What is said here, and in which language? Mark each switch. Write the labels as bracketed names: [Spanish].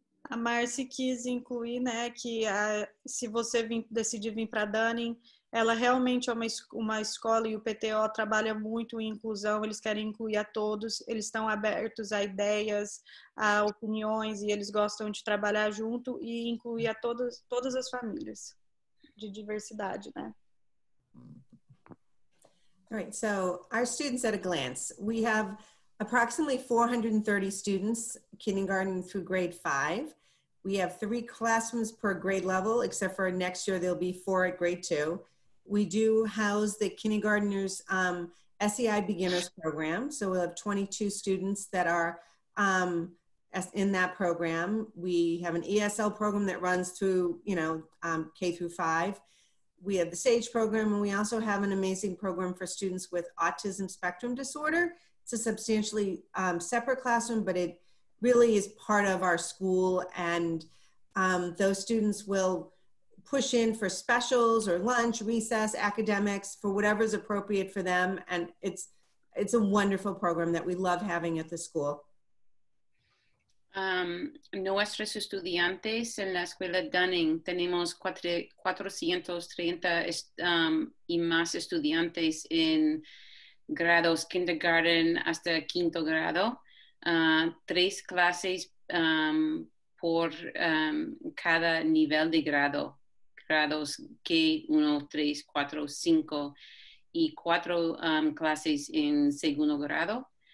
[Portuguese] A Marcy quis incluir, né, que se você decidir vir para Dunning, ela realmente é uma escola e o PTO trabalha muito em inclusão, eles querem incluir a todos, eles estão abertos a ideias, a opiniões e eles gostam de trabalhar junto e incluir a todas as famílias de diversidade, né? [English] All right, so our students at a glance. We have approximately 430 students, kindergarten through grade 5. We have 3 classrooms per grade level, except for next year there'll be 4 at grade 2. We do house the kindergartners SEI beginners program. So we'll have 22 students that are in that program. We have an ESL program that runs through, you know, K through 5. We have the SAGE program, and we also have an amazing program for students with autism spectrum disorder. It's a substantially separate classroom, but it really is part of our school. And those students will push in for specials or lunch, recess, academics, for whatever's appropriate for them. And it's a wonderful program that we love having at the school. [Spanish] Nuestros estudiantes en la escuela Dunning tenemos 430 y más estudiantes en grados kindergarten hasta quinto grado, 3 clases por cada nivel de grado, grados K1, 3, 4, 5 y 4 clases en segundo grado.